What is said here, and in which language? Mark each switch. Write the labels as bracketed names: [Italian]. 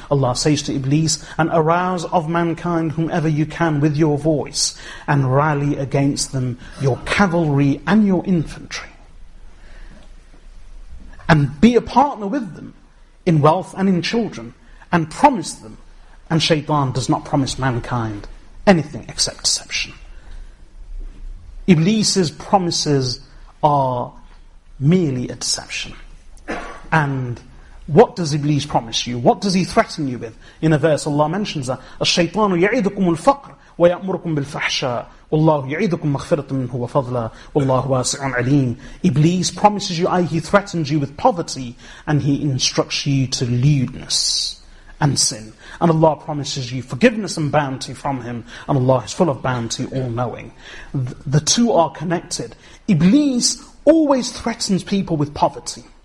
[English] Allah says to Iblis, and arouse of mankind whomever you can with your voice, and rally against them your cavalry and your infantry, and be a partner with them in wealth and in children, and promise them. And shaitan does not promise mankind anything except deception. Iblis's promises are merely a deception. And what does Iblis promise you? What does he threaten you with? In a verse, Allah mentions that, [Arabic] الشيطان يعيدكم الفقر ويأمركم بالفحشاء والله يعيدكم مغفرة منه وفضلا والله واسع عليم. [English] Iblis promises you, he threatens you with poverty, and he instructs you to lewdness and sin. And Allah promises you forgiveness and bounty from him, and Allah is full of bounty, all-knowing. The two are connected. Iblis always threatens people with poverty.